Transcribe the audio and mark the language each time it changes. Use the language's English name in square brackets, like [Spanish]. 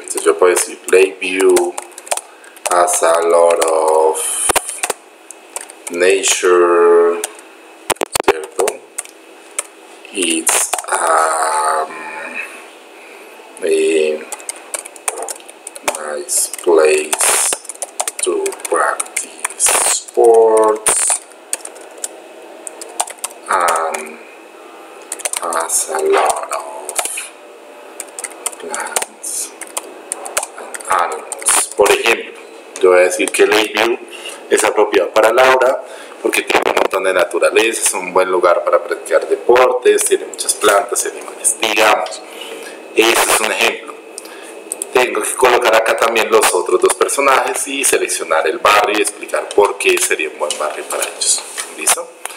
[Spanish] Entonces yo puedo decir Lakeview [English] has a lot of nature, [Spanish] ¿cierto? [English] It's a nice place to practice sports and has a lot of plants and animals. [Spanish] Por ejemplo, yo voy a decir que Lakeview es apropiado para Laura porque tiene un montón de naturaleza, es un buen lugar para practicar deportes, tiene muchas plantas y animales. Digamos, ese es un ejemplo. Tengo que colocar acá también los otros dos personajes y seleccionar el barrio y explicar por qué sería un buen barrio para ellos. ¿Listo?